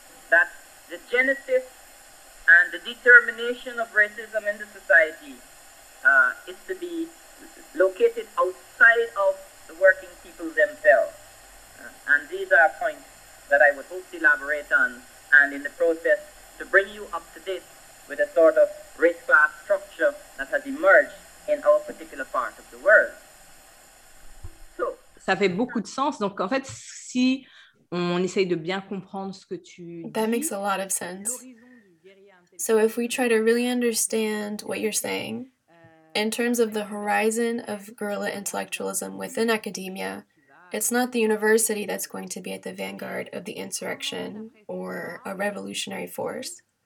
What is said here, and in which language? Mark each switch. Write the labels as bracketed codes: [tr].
[en] That the genesis and the determination of racism in the society is to be located outside of the working people themselves. And these are points that I would hope to elaborate on, and in the process to bring you up to date with a sort of race class structure that has emerged in our particular part of the world. So, [fr] ça fait beaucoup de sens. Donc, en fait, si on essaye de bien comprendre ce que tu dis, [en] that makes a lot of sense. So if we try to really understand what you're saying, in terms of the horizon of guerrilla intellectualism within academia, It's not the university that's going to be at the vanguard of the insurrection or a revolutionary force.